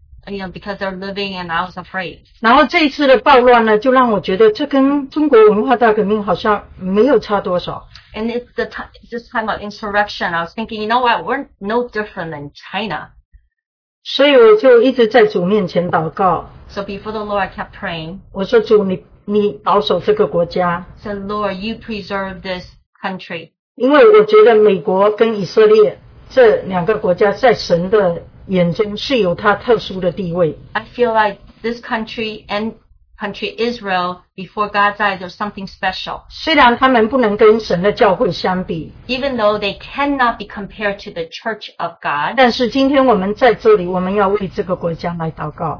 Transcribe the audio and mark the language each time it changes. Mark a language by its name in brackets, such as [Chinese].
[English] You know, because they're living and I was afraid. [Chinese] 然后这一次的暴乱呢，就让我觉得这跟中国文化大革命好像没有差多少。 [English] And it's this time of insurrection. I was thinking, you know what? We're no different than China. [Chinese] 所以我就一直在主面前祷告。 [English] So before the Lord, I kept praying. [Chinese] 我说主，你保守这个国家。 [English] So Lord, you preserve this country. [Chinese] 因为我觉得美国跟以色列这两个国家在神的眼中是有它特殊的地位。 [English] I feel like this country and country Israel before God's eyes are something special. [Chinese] 虽然他们不能跟神的教会相比 [English] ，Even though they cannot be compared to the Church of God. [Chinese] 但是今天我们在这里，我们要为这个国家来祷告。